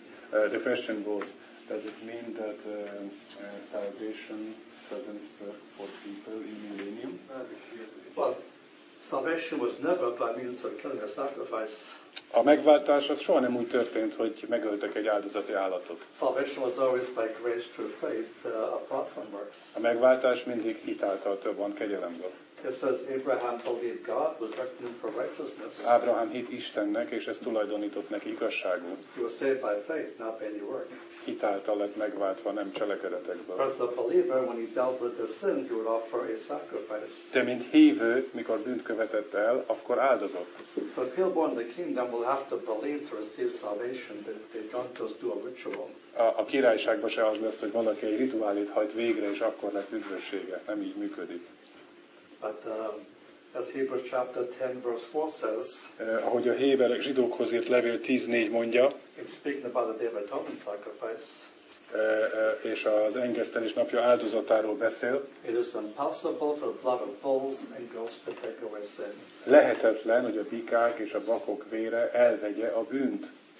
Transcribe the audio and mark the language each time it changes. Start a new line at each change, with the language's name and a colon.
English: The question was, does it mean that salvation doesn't work for people in millennium? Well, salvation was never by means of killing a sacrifice.
Hungarian: A megváltás az soha nem úgy történt, hogy megöltek egy áldozati állatot.
English: Salvation was always by grace through faith, apart from works.
Hungarian: A megváltás mindig hit által több van, kegyelemből.
English: It says Abraham believed God was reckoned for righteousness.
Hungarian: Abraham hit Istennek, és ez tulajdonított neki igazságot.
English: He was saved by faith, not by any work.
Hungarian: Hit által lett megváltva, nem cselekedetekből.
English: As a believer, when he dealt with the sin, he would offer a sacrifice.
Hungarian: De mint hívő, mikor bűnt követett el, akkor áldozott.
English: So people born in the kingdom will have to believe to receive salvation, that they don't just do a ritual.
Hungarian: A királyságban se az lesz, hogy valaki egy rituálit hajt végre, és akkor lesz üdvössége. Nem így működik.
English: But as Hebrews chapter 10 verse 4 says,
Hungarian: ahogy a héberek zsidókhoz írt levél 10:4 mondja,
English: it's speaking about the Day of Atonement sacrifice,
Hungarian: és az engesztelés napja áldozatáról beszél.
English: It is impossible for the blood of bulls and goats to take away sin.
Hungarian: Lehetetlen, hogy a bikák és a bakok vére elvegye a bűnt.